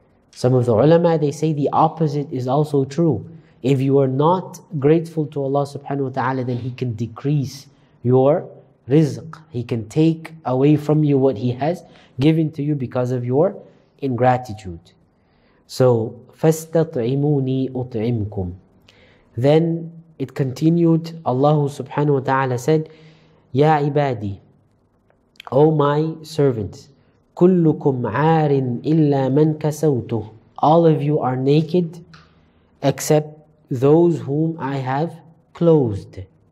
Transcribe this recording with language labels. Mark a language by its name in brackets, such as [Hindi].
[English] Some of the ulama, they say the opposite is also true. If you are not grateful to Allah subhanahu wa ta'ala, then He can decrease your rizq. He can take away from you what He has given to you because of your ingratitude. [Arabic] So, فَاسْتَطْعِمُونِي أُطْعِمْكُمْ. [English] Then it continued, Allah subhanahu wa ta'ala said, [Arabic] يَا عِبَادِي, [English] O my servants, [Arabic] كُلُّكُمْ عَارٍ إِلَّا مَنْ كَسَوْتُهُ. [English] All of you are naked except those whom I have clothed.